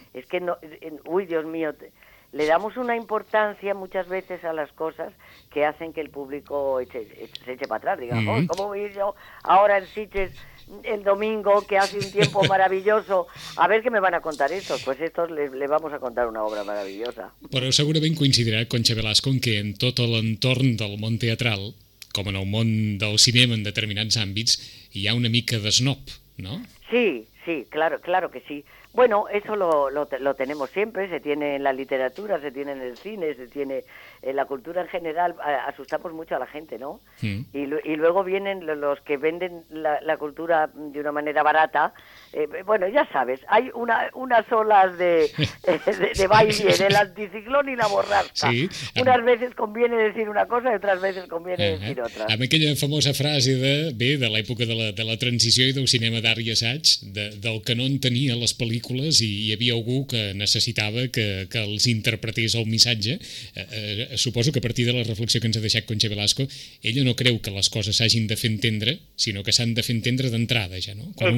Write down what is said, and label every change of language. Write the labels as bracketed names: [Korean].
[Spanish] Es que, no, uy, Dios mío, le damos una importancia muchas veces a las cosas que hacen que el público se eche para atrás. Digamos, ¿cómo voy yo ahora en Sitges el domingo, que hace un tiempo maravilloso? A ver qué me van a contar estos. Pues estos les vamos a contar una obra maravillosa. [Catalan] Però segurament coincidirà, Conxa Velasco, que en tot l'entorn del món teatral, com en el món del cinema en determinats àmbits, hi ha una mica d'esnob, no? [Spanish] Sí, sí, claro, claro que sí. Bueno, eso lo tenemos siempre, se tiene en la literatura, se tiene en el cine, se tiene en la cultura en general, asustamos mucho a la gente, ¿no? Sí. Y luego vienen los que venden la cultura de una manera barata. Bueno, ya sabes, hay unas olas de va y viene, el anticiclón y la borrasca. Sí. Unas veces conviene decir una cosa y otras veces conviene decir otra. [Catalan] Amb aquella famosa frase de l'època de la transició i del cinema d'art i assaig, del que no entenia les pel·lícules i hi havia algú que necessitava que els interpretés el missatge. Suposo que a partir de la reflexió que ens ha deixat Conxa Velasco, ella no creu que les coses s'hagin de fer entendre, sinó que s'han de fer entendre d'entrada ja, no?